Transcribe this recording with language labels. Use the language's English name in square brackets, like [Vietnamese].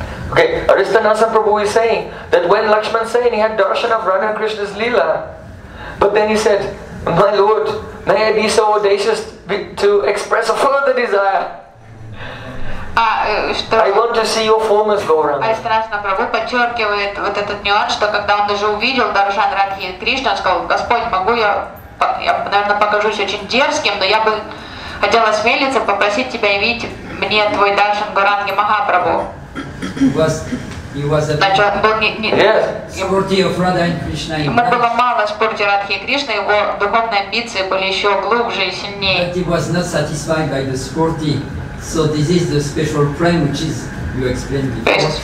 [English] Okay, Aristanasa Prabhu is saying that when Lakshman said he had darshan of Radha Krishna's Leela, but then he said, my Lord, may I be so audacious to express a further desire. I want to see your form as Gauranga. [Russian] Аристанасана Прабху подчеркивает вот этот нюанс, что когда он уже увидел Даршан Радхи Кришна, он сказал, Господь, могу я, наверное, покажусь очень дерзким, но я бы хотел осмелиться попросить тебя явить мне твой Даршан Гауранги Махапрабху. Ему было мало спорти Радхи и Кришна, его духовные амбиции были еще глубже и сильнее. [English] He was not satisfied by the sporty. So this is the special prem which is you explained before.